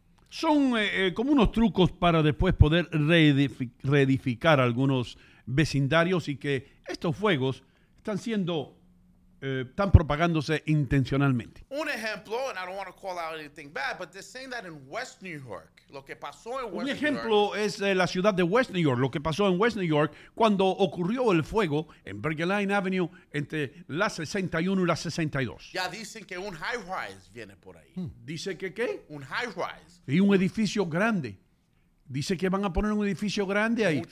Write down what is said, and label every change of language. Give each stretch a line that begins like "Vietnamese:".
Spanish: Son como unos trucos para después poder reedificar algunos vecindarios y que estos fuegos están siendo están propagándose intencionalmente. Un ejemplo,
English: and I don't want to call out anything bad, but they're saying that in West New York,
Spanish: lo que pasó en West New York. Un ejemplo es la ciudad de West New York, lo que pasó en West New York cuando ocurrió el fuego en Bergeline Avenue entre la 61 y la 62. Ya dicen que un high-rise viene por ahí. ¿Dice que qué? Un high-rise. Y un edificio grande. Dice que van a poner un edificio grande ahí.